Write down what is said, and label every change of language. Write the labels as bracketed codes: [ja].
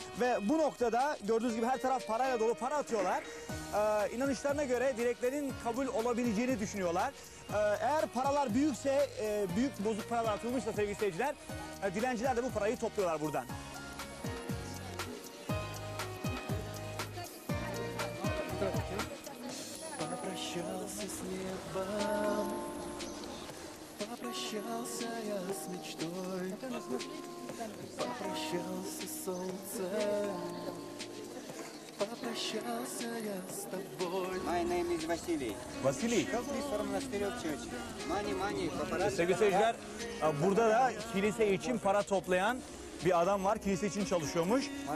[tr] Ve bu noktada gördüğünüz gibi her taraf parayla dolu, para atıyorlar. İnanışlarına göre dileklerin kabul olabileceğini düşünüyorlar. Eğer paralar büyükse, büyük bozuk paralar atılmışsa sevgili seyirciler, dilenciler de bu parayı topluyorlar buradan. [ru] Попрощался с небом, попрощался я с мечтой, попрощался с солнцем, попрощался я с тобой. [en] My name is Василий. [ru] Василий. Как ты сформулировал Мани, мани, попрощался. [tr] Sevgili seyirciler, burada da kilise için para toplayan bir adam var. Kilise için çalışıyormuş.